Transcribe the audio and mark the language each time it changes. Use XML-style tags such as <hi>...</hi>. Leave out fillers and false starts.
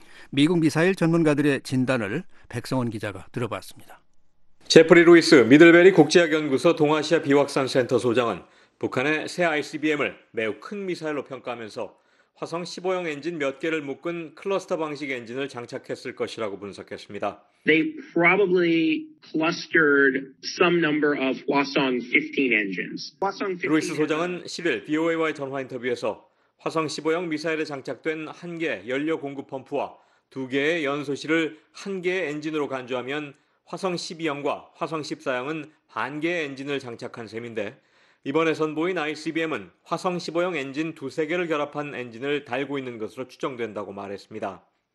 <ko>미국 미사일 전문가들의 진단을 백성원 기자가 들어봤습니다. 제프리 루이스 미들베리 국제학연구소 동아시아 비확산 센터 소장은 북한의 새 ICBM을 매우 큰 미사일로 평가하면서 화성 15형 엔진 몇 개를 묶은 클러스터 방식 엔진을 장착했을 것이라고 분석했습니다.</ko> <en>They probably clustered some number of Hwasong-15 engines.</en> <ko>루이스 소장은 10일 BOA와의 전화 인터뷰에서 화성 15형 미사일에 장착된 한 개 연료 공급 펌프와 두 개의 연소실을 한 개의 엔진으로 간주하면 화성 12형과 화성 14형은 반개의 엔진을 장착한 셈인데 이번에 선보인 ICBM은 화성 15형 엔진 두세 개를 결합한 엔진을 달고 있는 것으로 추정된다고 말했습니다.</ko>